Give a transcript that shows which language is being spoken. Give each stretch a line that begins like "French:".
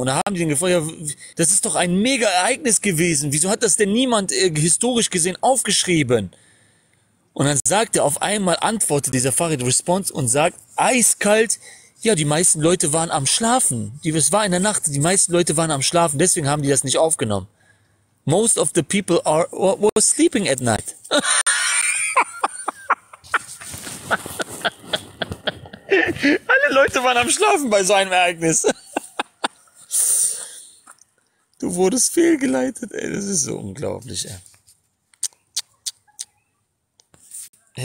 German: Und da haben die ihn gefragt, ja, das ist doch ein mega Ereignis gewesen. Wieso hat das denn niemand historisch gesehen aufgeschrieben? Und dann sagt er auf einmal, antwortet dieser Farid Response und sagt eiskalt, ja, die meisten Leute waren am Schlafen. Es war in der Nacht, die meisten Leute waren am Schlafen, deswegen haben die das nicht aufgenommen.
English: Most of the people were sleeping at night.
German: Alle Leute waren am Schlafen bei so einem Ereignis. Du wurdest fehlgeleitet, ey, das ist so unglaublich, ey.